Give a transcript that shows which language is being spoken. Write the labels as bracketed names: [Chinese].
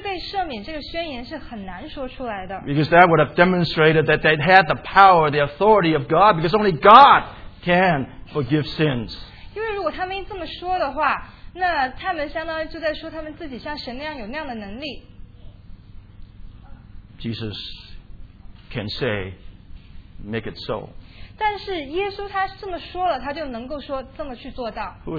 [Chinese] 但是对于这些律法老师、这些法利赛人来说，罪被赦免这个宣言是很难说出来的。 [English] Because that would have demonstrated that they had the power, the authority of God, because only God can forgive sins. [Chinese] 因为如果他们这么说的话，那他们相当于就在说他们自己像神那样有那样的能力。Jesus [English] can say, make it so. [Chinese] 但是耶稣他这么说了，他就能够说这么去做到。 [English] Who